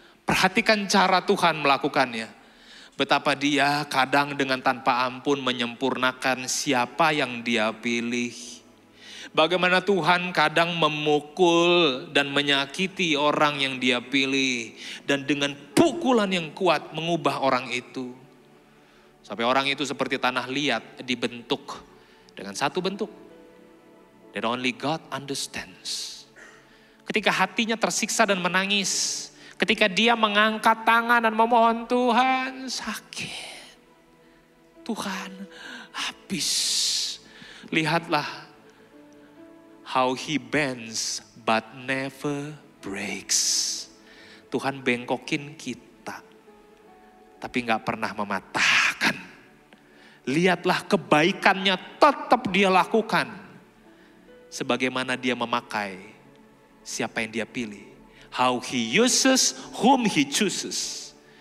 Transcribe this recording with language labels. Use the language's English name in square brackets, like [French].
[Indonesian] Perhatikan cara Tuhan melakukannya. Betapa dia kadang dengan tanpa ampun menyempurnakan siapa yang dia pilih. Bagaimana Tuhan kadang memukul dan menyakiti orang yang dia pilih. Dan dengan pukulan yang kuat mengubah orang itu. Sampai orang itu seperti tanah liat dibentuk dengan satu bentuk. [English] That only God understands. [Indonesian] Ketika hatinya tersiksa dan menangis. Ketika dia mengangkat tangan dan memohon, Tuhan sakit. Tuhan habis. Lihatlah. [English] How he bends but never breaks. [Indonesian] Tuhan bengkokin kita. Tapi gak pernah mematahkan. Lihatlah kebaikannya tetap dia lakukan. Sebagaimana dia memakai siapa yang dia pilih. [English] How he uses whom he chooses.